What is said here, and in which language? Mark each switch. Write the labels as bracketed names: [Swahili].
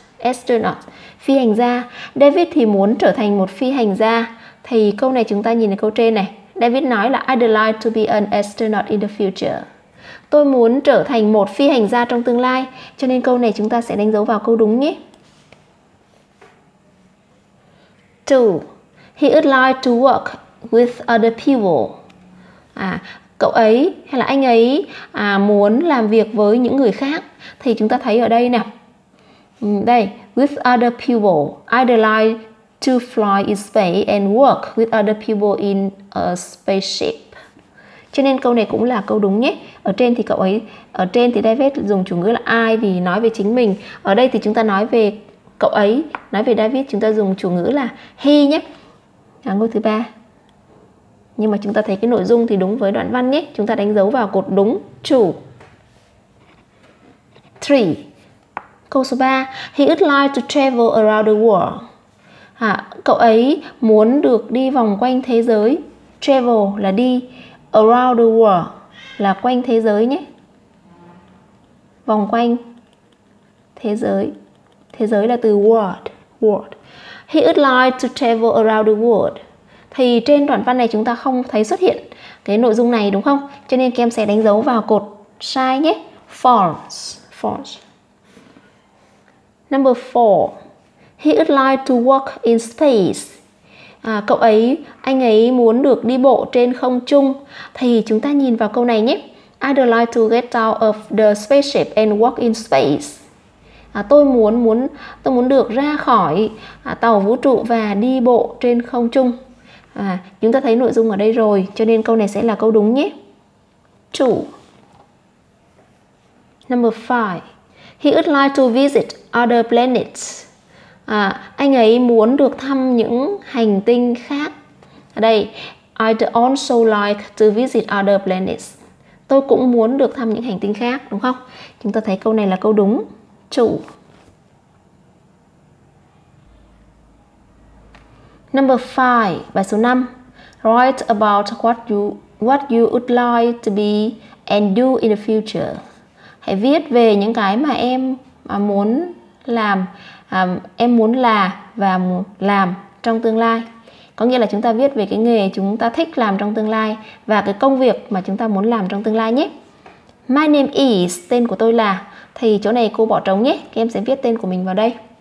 [Vietnamese] Astronaut, phi hành gia. David thì muốn trở thành một phi hành gia. Thì câu này chúng ta nhìn ở câu trên này. David nói là [English] I'd like to be an astronaut in the future. [Vietnamese] Tôi muốn trở thành một phi hành gia trong tương lai. Cho nên câu này chúng ta sẽ đánh dấu vào câu đúng nhé. 2. [English] He would like to work with other people. [Vietnamese] Cậu ấy hay là anh ấy muốn làm việc với những người khác. Thì chúng ta thấy ở đây nè. Đây, [English] with other people. I'd like to fly in space and work with other people in a spaceship. [Vietnamese] Cho nên câu này cũng là câu đúng nhé. Ở trên thì David dùng chủ ngữ là I vì nói về chính mình. Ở đây thì chúng ta nói về cậu ấy, nói về David, chúng ta dùng chủ ngữ là he nhé. Ngôi thứ 3. Nhưng mà chúng ta thấy cái nội dung thì đúng với đoạn văn nhé. Chúng ta đánh dấu vào cột đúng, true. 3. Câu số 3, [English] he would like to travel around the world. [Vietnamese] À, cậu ấy muốn được đi vòng quanh thế giới. Travel là đi, [English] around the world [Vietnamese] là quanh thế giới nhé. Vòng quanh thế giới. Thế giới là từ world, world. [English] He would like to travel around the world. [Vietnamese] Thì trên đoạn văn này chúng ta không thấy xuất hiện cái nội dung này đúng không? Cho nên Kem sẽ đánh dấu vào cột sai nhé. [English] False, false. Number 4. He would like to walk in space. [Vietnamese] À, cậu ấy, anh ấy muốn được đi bộ trên không trung. Thì chúng ta nhìn vào câu này nhé. [English] I'd like to get out of the spaceship and walk in space. [Vietnamese] À, tôi muốn được ra khỏi tàu vũ trụ và đi bộ trên không trung. À, chúng ta thấy nội dung ở đây rồi, cho nên câu này sẽ là câu đúng nhé. Chủ. [English] Number 5. He would like to visit other planets. [Vietnamese] À, anh ấy muốn được thăm những hành tinh khác. Ở đây, [English] I'd also like to visit other planets. [Vietnamese] Tôi cũng muốn được thăm những hành tinh khác, đúng không? Chúng ta thấy câu này là câu đúng. Chủ. [English] Number 5, [Vietnamese] bài số 5. [English] Write about what you would like to be and do in the future. [Vietnamese] Hãy viết về những cái mà em muốn làm, em muốn là và làm trong tương lai. Có nghĩa là chúng ta viết về cái nghề chúng ta thích làm trong tương lai và cái công việc mà chúng ta muốn làm trong tương lai nhé. [English] My name is, [Vietnamese] tên của tôi là. Thì chỗ này cô bỏ trống nhé, các em sẽ viết tên của mình vào đây.